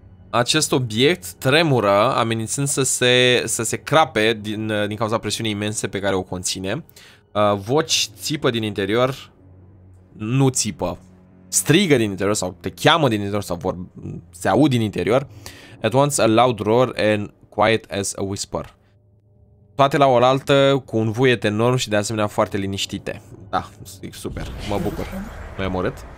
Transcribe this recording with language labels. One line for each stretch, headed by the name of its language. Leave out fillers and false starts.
Romanian: Acest obiect tremură, amenințând să se crape din cauza presiunii imense pe care o conține. Voci țipă din interior, nu țipă, strigă din interior sau te cheamă din interior sau se aud din interior.
English: At once a loud roar and quiet as a whisper.
Romanian: Toate la oaltă, cu un vuiet enorm și de asemenea foarte liniștite. Da, super, mă bucur. Mai am urât?